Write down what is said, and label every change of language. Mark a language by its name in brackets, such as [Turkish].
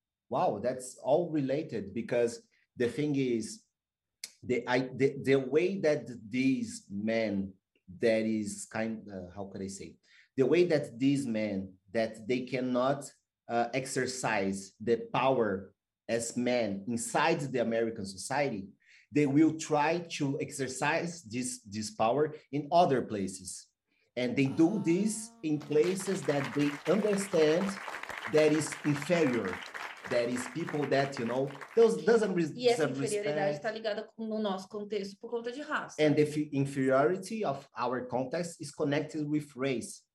[English] Wow, that's all related, because the thing is, the way that these men, that is kind of, how could I say, the way that these men, that they cannot exercise the power as men inside the American society, they will try to exercise this power in other places. And they do this in places that they understand that is inferior. That is people that, you know, doesn't respect. [Portuguese] E essa inferioridade está ligada no nosso contexto por conta de raça. [English] And the inferiority of our context is connected with race.